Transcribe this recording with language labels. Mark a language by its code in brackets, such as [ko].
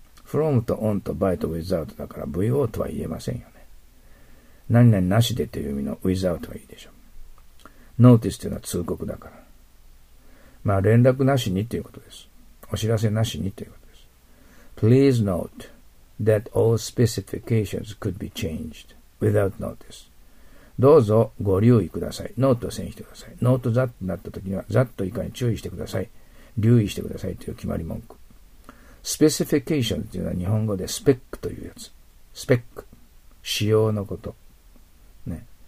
[ja] from と on と by と without だから VO とは言えませんよね。何々なしでという意味の without はいいでしょう。 notice というのは通告だから。まあ連絡なしにということです。お知らせなしにということです。 [en] please note that all specifications could be changed without notice。 [ja] どうぞご留意ください。note を選んでください。note that になった時には that 以下に注意してください。留意してくださいという決まり文句。 specification というのは日本語でスペックというやつ。スペック。仕様のこと。ね。